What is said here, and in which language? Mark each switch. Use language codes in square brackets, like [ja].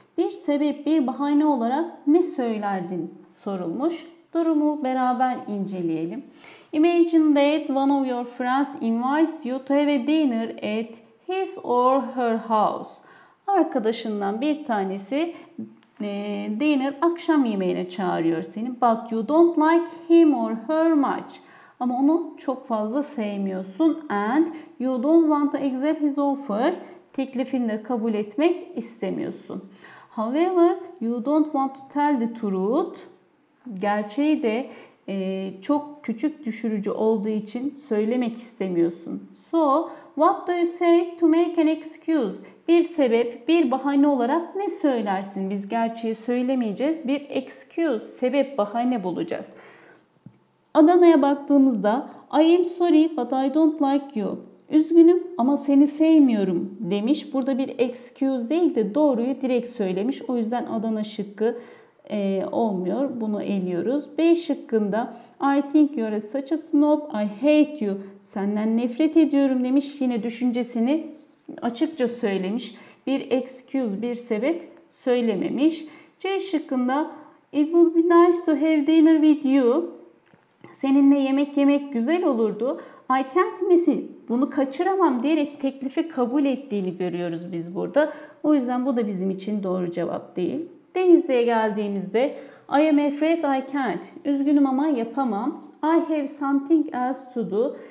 [tr] Bir sebep, bir bahane olarak ne söylerdin sorulmuş. Durumu beraber inceleyelim. [en] Imagine that one of your friends invites you to have a dinner at his or her house. [tr] Arkadaşından bir tanesi dinner akşam yemeğine çağırıyor seni. [en] But you don't like him or her much. [tr] Ama onu çok fazla sevmiyorsun. [en] And you don't want to accept his offer. [tr] Teklifini de kabul etmek istemiyorsun. [en] However, you don't want to tell the truth. [tr] Gerçeği de çok küçük düşürücü olduğu için söylemek istemiyorsun. [en] So, what do you say to make an excuse? [tr] Bir sebep, bir bahane olarak ne söylersin? Biz gerçeği söylemeyeceğiz. Bir excuse, sebep, bahane bulacağız. Adana'ya baktığımızda [en] I am sorry but I don't like you. [tr] Üzgünüm ama seni sevmiyorum demiş. Burada bir excuse değil de doğruyu direkt söylemiş. O yüzden Adana şıkkı olmuyor. Bunu eliyoruz. B şıkkında [en] I think you are such a snob. I hate you. [tr] Senden nefret ediyorum demiş. Yine düşüncesini açıkça söylemiş. Bir excuse, bir sebep söylememiş. C şıkkında [en] It would be nice to have dinner with you. [tr] Seninle yemek yemek güzel olurdu. [en] I can't miss it. [tr] Bunu kaçıramam diyerek teklifi kabul ettiğini görüyoruz biz burada. O yüzden bu da bizim için doğru cevap değil. Denizli'ye geldiğimizde [en] I am afraid I can't. [tr] Üzgünüm ama yapamam. [en] I have something else to do.